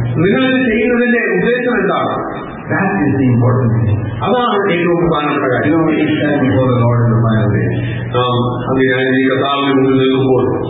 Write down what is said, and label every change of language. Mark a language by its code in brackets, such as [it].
[ml] നിങ്ങളിത് ചെയ്യുന്നതിന്റെ ഉദ്ദേശം എന്താണ്? [en] That is the important thing. [ml] അതാണ് ഏറ്റവും പ്രധാനപ്പെട്ട കാര്യം. [en] You know, we stand before the Lord in the final day. [ml] നാം അതിനായി ഈ കഥാവിന് മുന്നിൽ നിൽക്കുമ്പോൾ